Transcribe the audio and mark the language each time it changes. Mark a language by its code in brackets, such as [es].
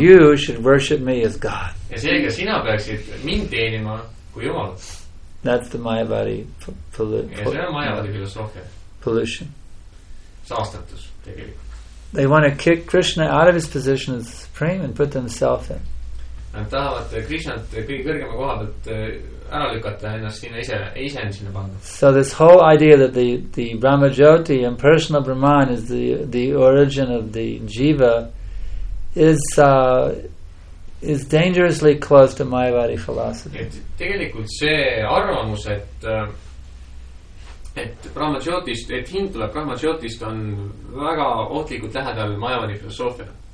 [en] You should worship me as God. [et] Ja seega sina peaksid mind teenima kui Jumal. [en] That's the Mayavadi [et] pollution. Ja see on Mayavadi filosofia. [en] Pollution. [et] Saastatus tegelikult. [en] They want to kick Krishna out of his position as supreme and put themselves in. [et] Nad tahavad Krishnat kõige kõrgema koha pealt ära lükata ennast sinna ise end sinna panna. [en] So this whole idea that the Brahmajyoti, impersonal Brahman, is the origin of the jiva is dangerously close to Mayavadi philosophy. [et] Et tegelikult see arvamus, et Brahmajyotist, et hind tuleb Brahmajyotist, on väga ohtlikult lähedal Mayavadi filosoofia.